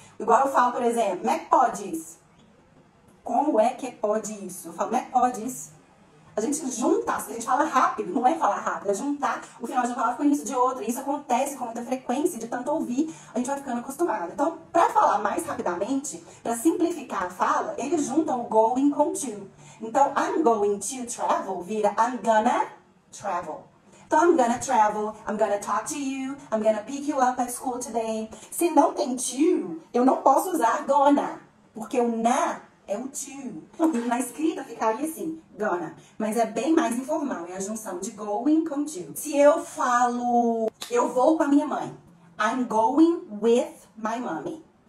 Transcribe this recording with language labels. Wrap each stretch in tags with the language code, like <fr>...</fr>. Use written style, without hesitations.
<pt>Igual eu falo, por exemplo, como é que pode isso? Como é que pode isso? Eu falo, como é que pode isso? A gente junta, a gente fala rápido, não é falar rápido, é juntar o final de uma palavra com o início de outra. Isso acontece com muita frequência, de tanto ouvir, a gente vai ficando acostumado. Então, para falar mais rapidamente, para simplificar a fala, eles juntam o going com to.</pt> <en>Então, I'm going to travel vira I'm gonna travel. Então, I'm gonna travel, I'm gonna talk to you, I'm gonna pick you up at school today.</en> <pt>Se não tem to, eu não posso usar gonna, porque o na é o to. Na escrita ficaria assim, gonna. Mas é bem mais informal, é a junção de going com to. Se eu falo, eu vou com a minha mãe.</pt> <en>I'm going with my mommy.</en>